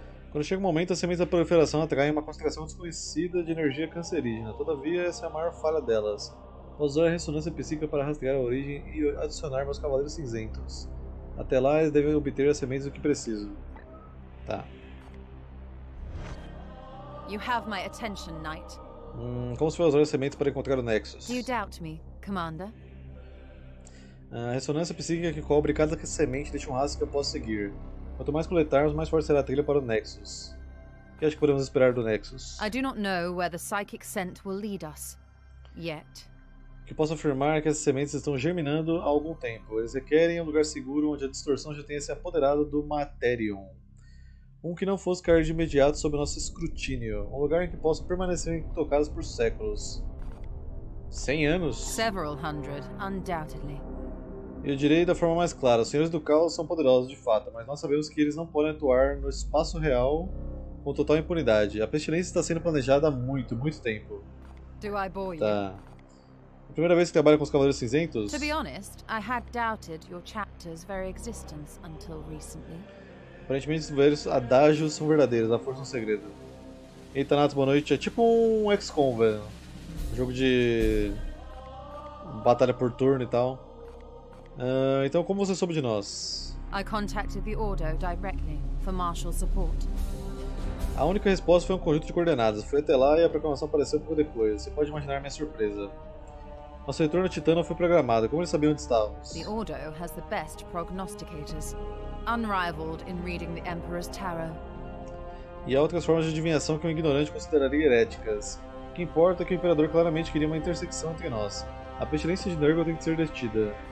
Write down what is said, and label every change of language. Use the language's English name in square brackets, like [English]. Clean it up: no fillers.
[Portuguese] Quando chega o momento, a semente da proliferação atrai uma concentração desconhecida de energia cancerígena. Todavia, essa é a maior falha delas. usou a ressonância psíquica para rastrear a origem e adicionar meus cavaleiros cinzentos. Até lá, eles devem obter as sementes do que preciso. Tá. [English] You have my attention, Knight. [Portuguese] Como se fosse usar as sementes para encontrar o Nexus? [English] Do you doubt me, Commander? [Portuguese] A ressonância psíquica que cobre cada semente deixa um rastro que eu posso seguir. Quanto mais coletarmos, mais forte será a trilha para o Nexus. O que acho que podemos esperar do Nexus? [English] I do not know where the psychic scent will lead us. Yet. [Portuguese] O que posso afirmar é que essas sementes estão germinando há algum tempo. Eles requerem um lugar seguro onde a distorção já tenha se apoderado do Materium. Um que não fosse cair de imediato sob nosso escrutínio. Um lugar em que possam permanecer intocados por séculos. 100 anos? [English] Several hundred, undoubtedly. [Portuguese] Eu direi da forma mais clara, os Senhores do Caos são poderosos de fato, mas nós sabemos que eles não podem atuar no espaço real com total impunidade. A pestilência está sendo planejada há muito, muito tempo. [English] Do I bore [Portuguese] tá. A primeira vez que trabalho com os Cavaleiros Cinzentos? [English] To be honest, I had doubted your chapter's very existence until recently. [Portuguese] Aparentemente, os velhos adágios são verdadeiros, a força é um segredo. Eita, Nato, boa noite. É tipo um XCOM, velho. Um jogo de batalha por turno e tal. Então, como você soube de nós? [English] I contacted the Ordo directly for martial support. [Portuguese] A única resposta foi um conjunto de coordenadas. Fui até lá e a programação apareceu um pouco depois. Você pode imaginar minha surpresa. Nosso retorno ao Titã foi programado. Como eles sabiam onde estávamos? [English] The Ordo has the best prognosticators, unrivaled in reading the Emperor's tarot. [Portuguese] E há outras formas de adivinhação que um ignorante consideraria heréticas. O que importa é que o Imperador claramente queria uma intersecção entre nós. A pestilência de Nurgle tem que ser detida.